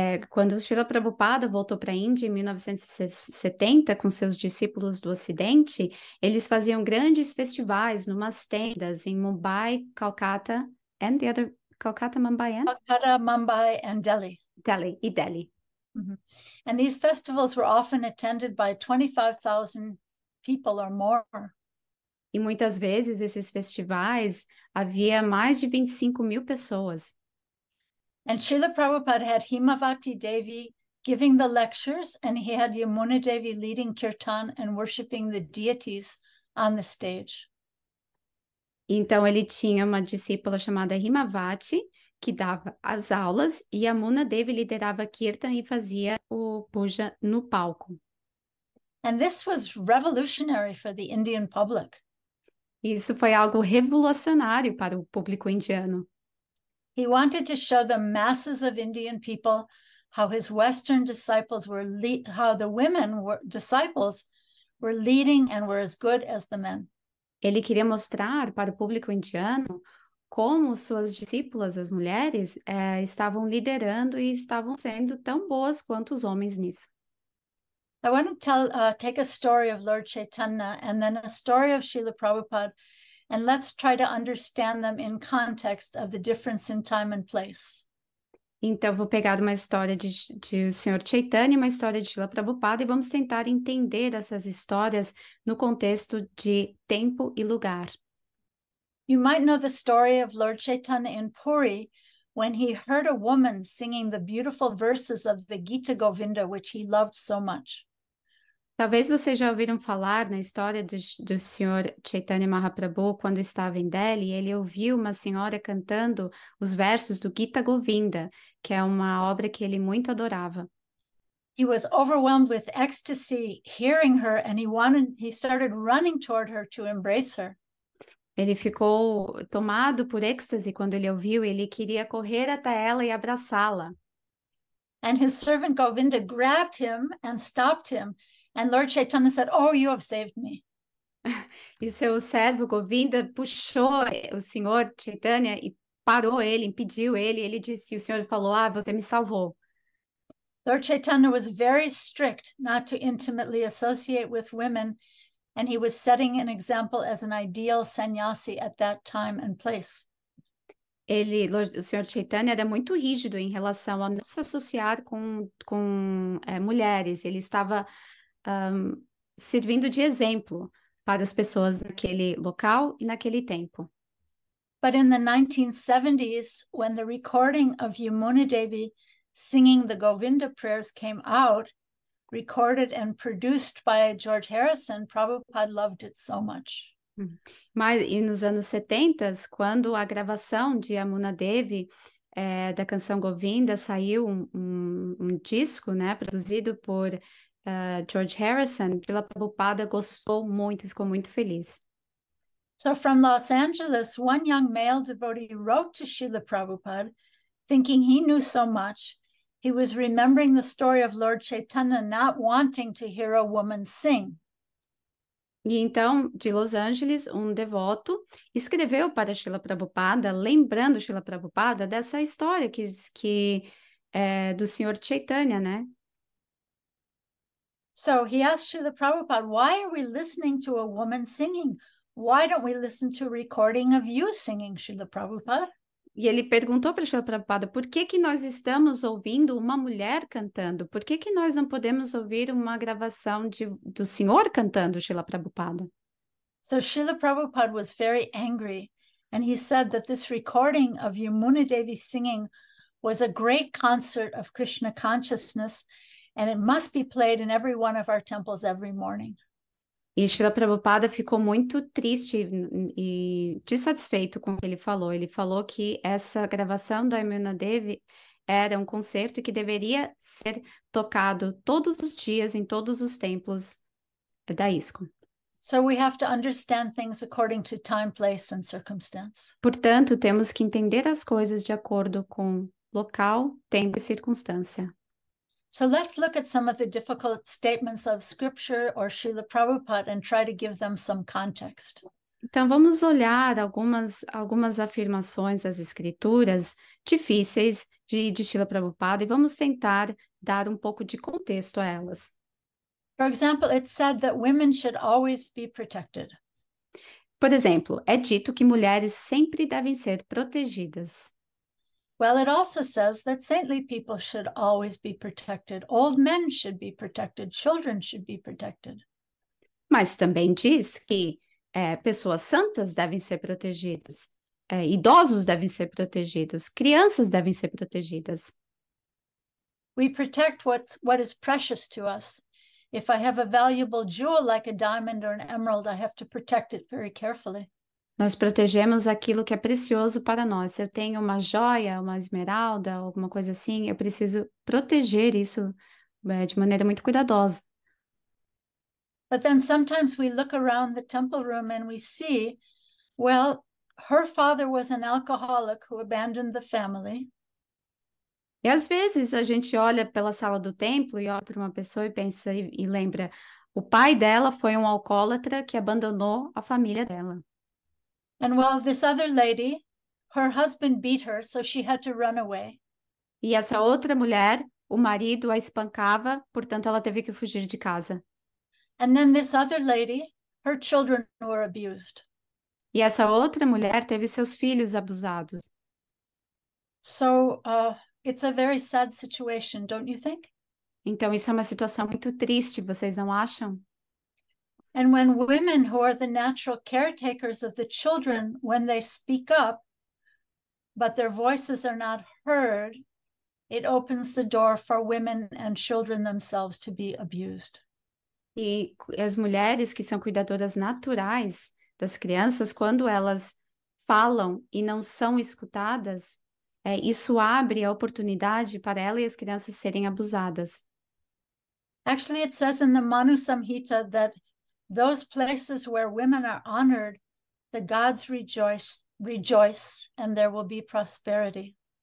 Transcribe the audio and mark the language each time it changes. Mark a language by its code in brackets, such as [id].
[pt] Quando Srila Prabhupada voltou para a Índia em 1970 com seus discípulos do Ocidente, eles faziam grandes festivais numas tendas em Mumbai, Calcutta, [en] and the other, Calcutta, Mumbai, and? Calcutta, Mumbai, and Delhi. [pt] Delhi, e Delhi. [en] And these festivals were often attended by 25,000 people or more. [pt] E muitas vezes esses festivais havia mais de 25 mil pessoas. [en] And Srila Prabhupada had Himavati Devi giving the lectures, and he had Yamuna Devi leading kirtan and worshipping the deities on the stage. [pt] Então, ele tinha uma discípula chamada Himavati, que dava as aulas, e Yamuna Devi liderava kirtan e fazia o puja no palco. [en] And this was revolutionary for the Indian public. [pt] Isso foi algo revolucionário para o público indiano. [en] He wanted to show the masses of Indian people how his Western disciples were, how the women were disciples were leading and were as good as the men. [pt] Ele queria mostrar para o público indiano como suas discípulas, as mulheres, estavam liderando e estavam sendo tão boas quanto os homens nisso. [en] I want to take a story of Lord Chaitanya and then a story of Srila Prabhupada, and let's try to understand them in context of the difference in time and place. [pt] Então, vou pegar uma história de o Sr. Chaitanya e uma história de Srila Prabhupada e vamos tentar entender essas histórias no contexto de tempo e lugar. [en] You might know the story of Lord Chaitanya in Puri when he heard a woman singing the beautiful verses of the Gita Govinda, which he loved so much. [pt] Talvez vocês já ouviram falar na história do Sr. Chaitanya Mahaprabhu quando estava em Delhi. Ele ouviu uma senhora cantando os versos do Gita Govinda, que é uma obra que ele muito adorava. [en] He was overwhelmed with ecstasy hearing her, and he started running toward her to embrace her. [pt] Ele ficou tomado por êxtase quando ele ouviu, e ele queria correr até ela e abraçá-la. [en] And his servant Govinda grabbed him and stopped him. And Lord Chaitanya said, "Oh, you have saved me." [pt] E seu servo Govinda puxou o senhor Chaitanya e parou ele, impediu ele. Ele disse, o senhor falou, ah, você me salvou. [en] Lord Chaitanya was very strict not to intimately associate with women, and he was setting an example as an ideal sannyasi at that time and place. [pt] Ele, o senhor Chaitanya era muito rígido em relação a não se associar com mulheres. Ele estava servindo de exemplo para as pessoas naquele local e naquele tempo. [en] But in the 1970s, when the recording of Yamuna Devi singing the Govinda prayers came out, recorded and produced by George Harrison, Prabhupada loved it so much. [pt] Mas, e nos anos 70, quando a gravação de Yamuna Devi, da canção Govinda, saiu um disco, né, produzido por George Harrison, Srila Prabhupada gostou muito, ficou muito feliz. [en] So from Los Angeles, one young male devotee wrote to Srila Prabhupada, thinking he knew so much. He was remembering the story of Lord Chaitanya not wanting to hear a woman sing. [pt] E então, de Los Angeles, um devoto escreveu para Srila Prabhupada, lembrando Srila Prabhupada dessa história que é do Sr. Chaitanya, né? [en] So he asked Srila Prabhupada, "Why are we listening to a woman singing? Why don't we listen to a recording of you singing, Srila Prabhupada?" [pt] E ele perguntou para Srila Prabhupada, por que que nós estamos ouvindo uma mulher cantando? Por que nós não podemos ouvir uma gravação do senhor cantando, Srila Prabhupada? [en] So Srila Prabhupada was very angry, and he said that this recording of Yamuna Devi singing was a great concert of Krishna consciousness, and it must be played in every one of our temples every morning. [pt] E Srila Prabhupada ficou muito triste e dissatisfeito com o que ele falou. Ele falou que essa gravação da Yamuna Devi era um concerto que deveria ser tocado todos os dias em todos os templos da ISKCON. [en] So we have to understand things according to time, place and circumstance. [pt] Portanto, temos que entender as coisas de acordo com local, tempo e circunstância. [en] So let's look at some of the difficult statements of scripture or Srila Prabhupada and try to give them some context. [pt] Então vamos olhar algumas afirmações das escrituras difíceis de Srila Prabhupada e vamos tentar dar um pouco de contexto a elas. [en] For example, it's said that women should always be protected. [pt] Por exemplo, é dito que mulheres sempre devem ser protegidas. [en] Well, it also says that saintly people should always be protected. Old men should be protected. Children should be protected. [pt] Mas também diz que pessoas santas devem ser protegidas, idosos devem ser protegidos, crianças devem ser protegidas. [en] We protect what is precious to us. If I have a valuable jewel like a diamond or an emerald, I have to protect it very carefully. [pt] Nós protegemos aquilo que é precioso para nós. Se eu tenho uma joia, uma esmeralda, alguma coisa assim, eu preciso proteger isso, de maneira muito cuidadosa. [en] But then sometimes we look around the temple room and we see, well, her father was an alcoholic who abandoned the family. [pt] E às vezes a gente olha pela sala do templo e olha para uma pessoa e pensa e lembra, o pai dela foi um alcoólatra que abandonou a família dela. [en] And while this other lady, her husband beat her, so she had to run away. [pt] E essa outra mulher, o marido a espancava, portanto ela teve que fugir de casa. [en] And then this other lady, her children were abused. [pt] E essa outra mulher teve seus filhos abusados. [en] So, it's a very sad situation, don't you think? [pt] Então isso é uma situação muito triste, vocês não acham? [en] And when women who are the natural caretakers of the children, when they speak up, but their voices are not heard, it opens the door for women and children themselves to be abused. [pt] E as mulheres que são cuidadoras naturais das crianças, quando elas falam e não são escutadas, isso abre a oportunidade para ela e as crianças serem abusadas. [en] Actually, it says in the Manu Samhita that those places where women are honored, the gods rejoice, and there will be prosperity.